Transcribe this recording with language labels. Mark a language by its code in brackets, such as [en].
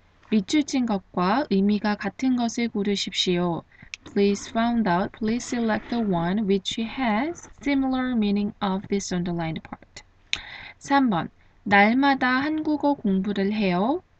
[ko] 밑줄 친 것과 의미가 같은 것을 고르십시오. [en] Please find out, please select the one which has similar meaning of this underlined part. [ko] 3번. 날마다 한국어 공부를 해요.